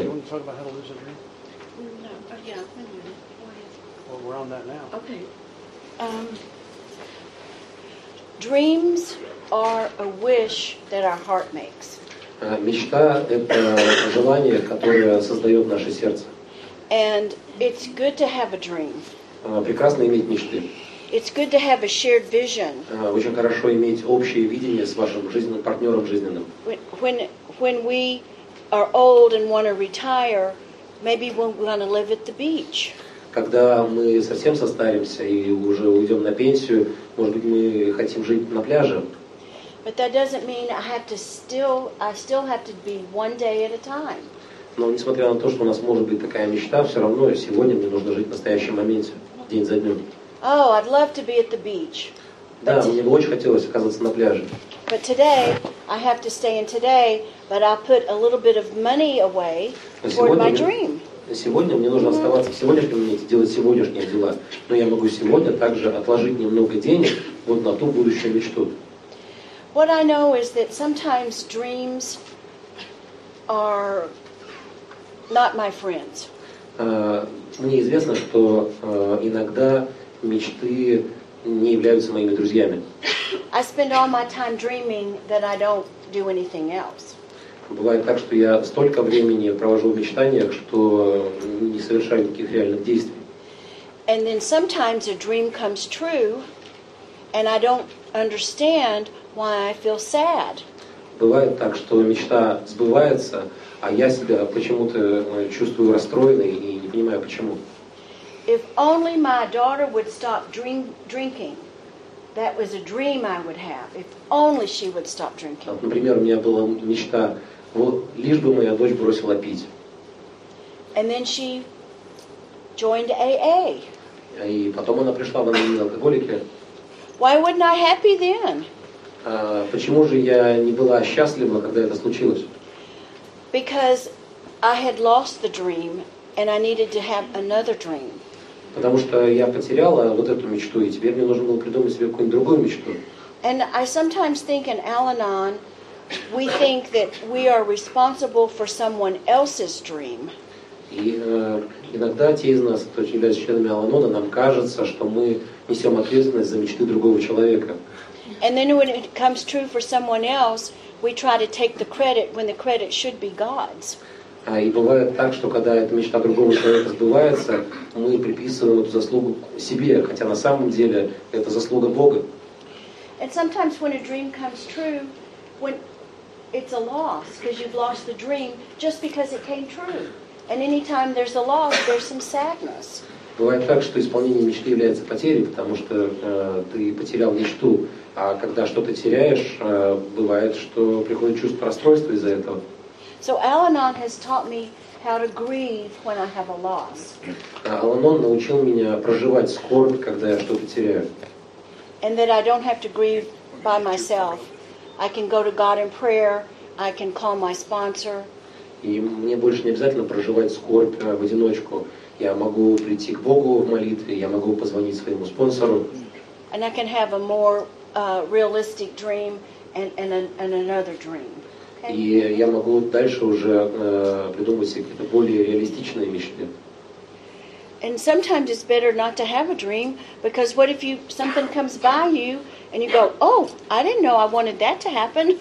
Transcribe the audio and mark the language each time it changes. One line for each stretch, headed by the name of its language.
English: You want to talk about how to lose a dream? No, yeah, well, we're on that now. Okay. Dreams are a wish that our heart makes.
Russian: Мечта — это желание, которое создает наше сердце.
English: And it's good to have a dream.
Russian: Прекрасно иметь мечты.
English: It's good to have a shared vision.
Russian: Очень хорошо иметь общее видение с вашим жизненным партнером жизненным.
English: When we are old and want to retire, maybe we're going to live at the beach.
Russian: когда мы совсем состаримся и уже уйдем на пенсию, может быть, мы хотим жить на пляже.
English: But that doesn't mean I still have to be one day at a time.
Russian: Но несмотря на то, что у нас может быть такая мечта, все равно сегодня мне нужно жить в настоящем моменте, день за днем.
English: Oh, I'd love to be at the beach.
Russian: Да, мне бы очень хотелось оказаться на пляже.
English: But today I have to stay in today, but I'll put a little bit of money away for my dream.
Russian: Сегодня мне нужно оставаться в сегодняшнем моменте, делать сегодняшние дела, но я могу сегодня также отложить немного денег вот на ту будущую мечту.
English: What I know is that sometimes dreams are not my friends.
Russian: Мне известно, что иногда мечты не являются моими друзьями.
English: I spend all my time dreaming that I don't do anything else.
Russian: Бывает так, что я столько времени провожу в мечтаниях, что не совершаю никаких реальных действий.
English: And then sometimes a dream comes true, and I don't understand why I feel sad.
Russian: Бывает так, что мечта сбывается, а я себя почему-то чувствую расстроенной и не понимаю почему.
English: If only my daughter would stop drinking. That was a dream I would have. If only she would stop drinking.
Russian: Вот, например, у меня была мечта, вот лишь бы моя дочь бросила пить.
English: And then she joined AA.
Russian: И потом она пришла в Анонимные алкоголики.
English: Why wasn't I happy then?
Russian: Почему же я не была счастлива, когда это случилось?
English: Because I had lost the dream and I needed to have another dream.
Russian: Потому что я потеряла вот эту мечту, и теперь мне нужно было придумать себе какую-нибудь другую мечту.
English: And I sometimes think in Al-Anon, we think that we are responsible for someone else's dream.
Russian: И иногда те из нас, кто являются членами Al-Anon, нам кажется, что мы несем ответственность за мечты другого человека.
English: And then when it comes true for someone else, we try to take the credit when the credit should be God's.
Russian: И бывает так, что когда эта мечта другого человека сбывается, мы приписываем эту заслугу себе, хотя на самом деле это заслуга Бога.
English: And sometimes when a dream comes true, when it's a loss, because you've lost the dream just because it came true. And anytime there's a loss, there's some sadness.
Russian: Бывает так, что исполнение мечты является потерей, потому что ты потерял мечту. А когда что-то теряешь, бывает, что приходит чувство расстройства из-за этого.
English: So Al-Anon has taught me how to grieve when I have a loss.
Russian: Al-Anon научил меня проживать скорбь, когда я что-то теряю.
English: And that I don't have to grieve by myself. I can go to God in prayer. I can call my sponsor.
Russian: И мне больше не обязательно проживать скорбь в одиночку. Я могу прийти к Богу в молитве. Я могу позвонить своему спонсору.
English: And I can have a more realistic dream and another dream.
Russian: И я могу дальше уже придумывать себе какие-то более реалистичные мечты.
English: And sometimes it's better not to have a dream, because what if you something comes by you and you go, oh, I didn't know I wanted that to happen.